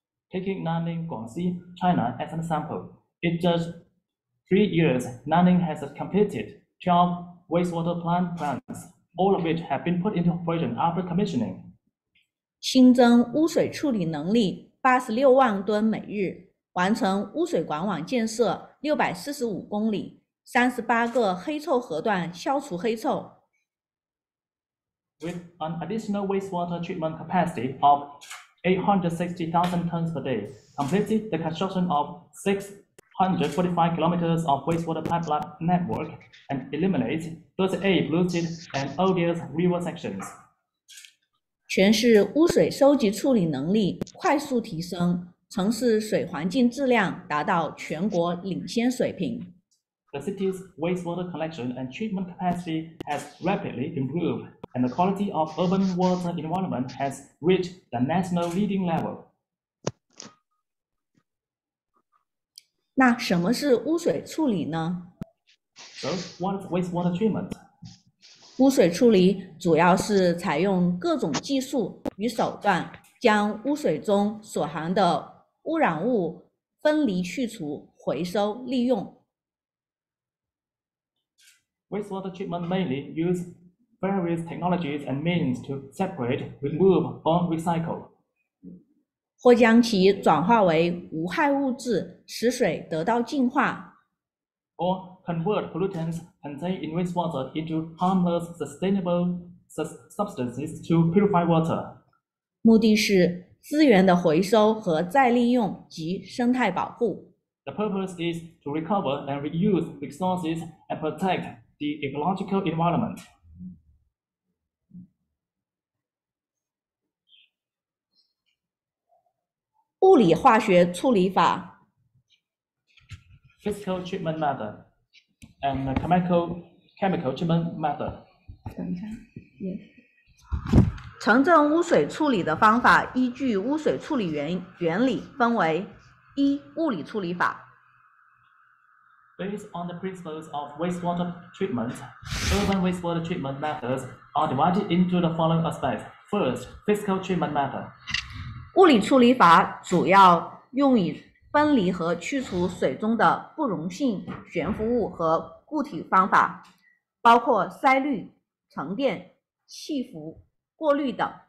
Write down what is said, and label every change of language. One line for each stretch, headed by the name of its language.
English: Taking Nanning, Guangxi, China as an example, in just 3 years, Nanning has completed 12 wastewater plants, all of which have been put into operation after commissioning.
Chinese: 新增污水处理能力86万吨每日，完成污水管网建设645公里，38个黑臭河段消除黑臭。
English: With an additional wastewater treatment capacity of 860,000 tons per day, completed the construction of 645 kilometers of wastewater pipeline network and eliminated 38 polluted and odious river sections.
Chinese: 全市污水收集处理能力快速提升，城市水环境质量达到全国领先水平。
English: The city's wastewater collection and treatment capacity has rapidly improved, and the quality of urban water environment has reached the national leading level.
Chinese: 那什么是污水处理呢？
English: So, what is wastewater treatment?
Chinese: 污水处理主要是采用各种技术与手段，将污水中所含的污染物分离去除、回收利用。
English: Wastewater treatment mainly use various technologies and means to separate, remove, or recycle.
Chinese: 或将其转化为无害物质，使水得到净化。
English: Or convert pollutants contained in wastewater into harmless, sustainable substances to purify water.
Chinese: 目的是资源的回收和再利用及生态保护。
English: The purpose is to recover and reuse resources and protect. The ecological environment.
Chinese: 物理化学处理法
English: Physical treatment method and chemical treatment method.
Chinese: 城镇污水处理的方法依据污水处理原理分为一物理处理法
English: Based on the principles of wastewater treatment, urban wastewater treatment methods are divided into the following aspects. First, physical treatment method.
Chinese: 物理处理法主要用于分离和去除水中的不溶性悬浮物和固体方法，包括筛滤、沉淀、气浮、过滤等。